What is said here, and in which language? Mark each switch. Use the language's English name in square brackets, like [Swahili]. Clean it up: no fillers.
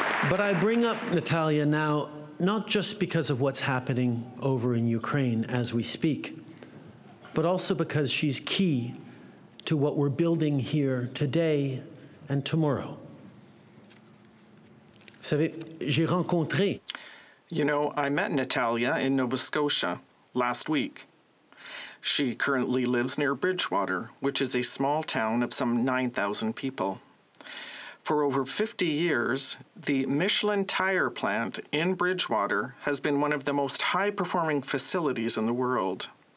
[English] But I bring up Natalia now not just because of what's happening over in Ukraine as we speak, but also because she's key to what we're building here today and tomorrow. [French] Vous savez, j'ai rencontré. [English] You know, I met Natalia in Nova Scotia last week. She currently lives near Bridgewater, which is a small town of some 9,000 people. For over 50 years, the Michelin tire plant in Bridgewater has been one of the most high-performing facilities in the world.